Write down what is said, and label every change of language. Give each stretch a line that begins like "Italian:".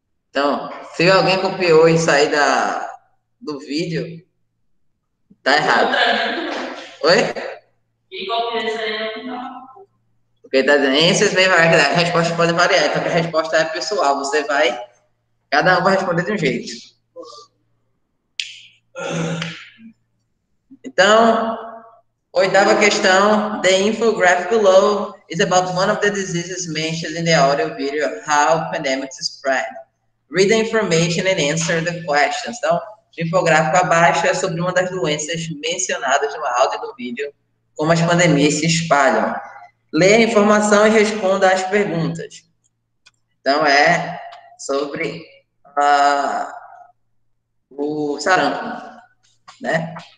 Portuguese: Então, se alguém copiou isso aí da... do vídeo, tá errado. Oi? Porque das doenças vem variar, as respostas podem variar, então a resposta é pessoal, você vai, cada um vai responder de um jeito. Então, oitava questão,
English: the infographic below is about one of the diseases mentioned in the audio video, how pandemics spread. Read the information and answer the questions.
Portuguese: Então, o infográfico abaixo é sobre uma das doenças mencionadas no áudio do vídeo, como as pandemias se espalham. Leia a informação e responda às perguntas. Então, é sobre o sarampo, né?